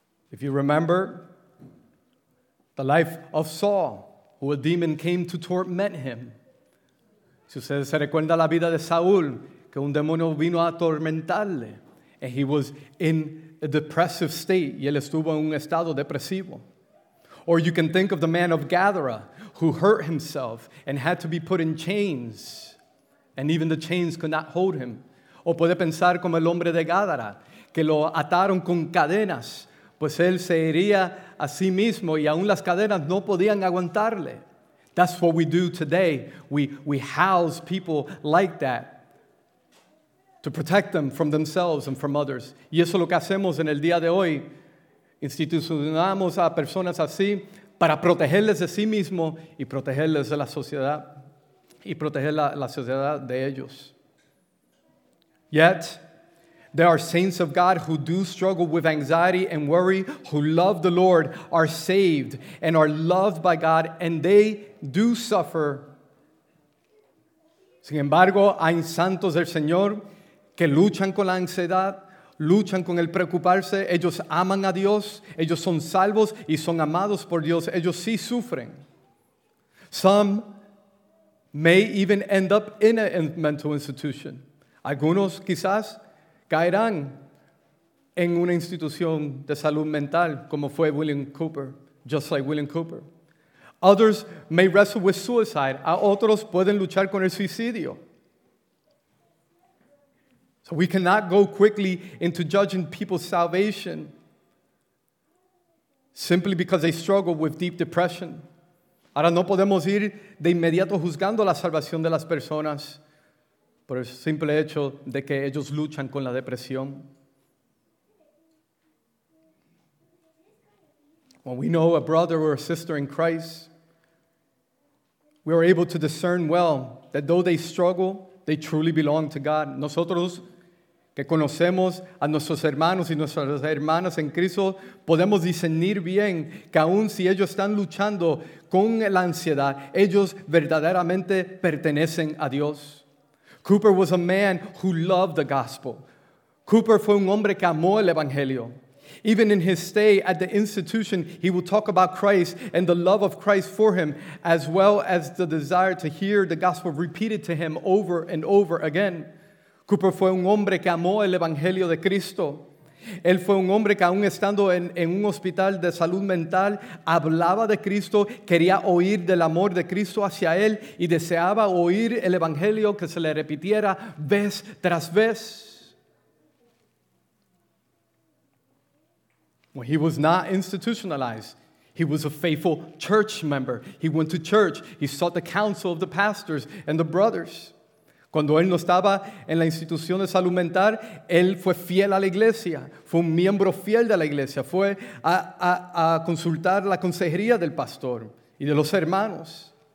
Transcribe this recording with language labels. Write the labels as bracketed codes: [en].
[en] If you remember, the life of Saul, who a demon came to torment him. [es] Si ustedes se recuerdan la vida de Saúl, que un demonio vino a atormentarle. [en] And he was in a depressive state, [es] y él estuvo en un estado depresivo. [en] Or you can think of the man of Gadara, who hurt himself and had to be put in chains. And even the chains could not hold him. [es] O puede pensar como el hombre de Gadara, que lo ataron con cadenas, pues él se hería a sí mismo y aún las cadenas no podían aguantarle. [en] That's what we do today. We house people like that to protect them from themselves and from others. [es] Y eso es lo que hacemos en el día de hoy. Institucionamos a personas así para protegerles de sí mismo y protegerles de la sociedad. Y proteger la sociedad de ellos. [en] Yet, There are saints of God who do struggle with anxiety and worry, who love the Lord, are saved, and are loved by God, and they do suffer. [es] Sin embargo, hay santos del Señor que luchan con la ansiedad, luchan con el preocuparse. Ellos aman a Dios, ellos son salvos y son amados por Dios. Ellos sí sufren. [en] Some may even end up in a mental institution. [es] Algunos quizás caerán en una institución de salud mental, como fue William Cooper, [en] just like William Cooper. Others may wrestle with suicide. [es] A otros pueden luchar con el suicidio. [en] So we cannot go quickly into judging people's salvation simply because they struggle with deep depression. [es] Ahora no podemos ir de inmediato juzgando la salvación de las personas por el simple hecho de que ellos luchan con la depresión. [en] When we know a brother or a sister in Christ, we are able to discern well that though they struggle, they truly belong to God. [es] Nosotros que conocemos a nuestros hermanos y nuestras hermanas en Cristo, podemos discernir bien que aun si ellos están luchando con la ansiedad, ellos verdaderamente pertenecen a Dios. [en] Cooper was a man who loved the gospel. [es] Cooper fue un hombre que amó el evangelio. [en] Even in his stay at the institution, he would talk about Christ and the love of Christ for him, as well as the desire to hear the gospel repeated to him over and over again. [es] Cooper fue un hombre que amó el evangelio de Cristo. Él fue un hombre que aún estando en un hospital de salud mental, hablaba de Cristo, quería oír del amor de Cristo hacia él y deseaba oír el evangelio que se le repitiera vez tras vez. [en] Well, he was not institutionalized. He was a faithful church member. He went to church. He sought the counsel of the pastors and the brothers. [es] Cuando él no estaba en la institución de salud mental, él fue fiel a la iglesia. Fue un miembro fiel de la iglesia. Fue a consultar la consejería del pastor y de los hermanos.